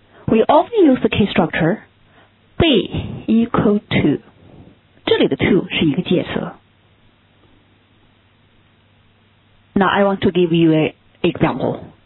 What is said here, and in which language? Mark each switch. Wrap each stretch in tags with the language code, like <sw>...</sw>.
<en>We often use the case structure be equal to.</en> <zh>这里的 to 是一个介词。</zh> <en>Now I want to give you an example.</en>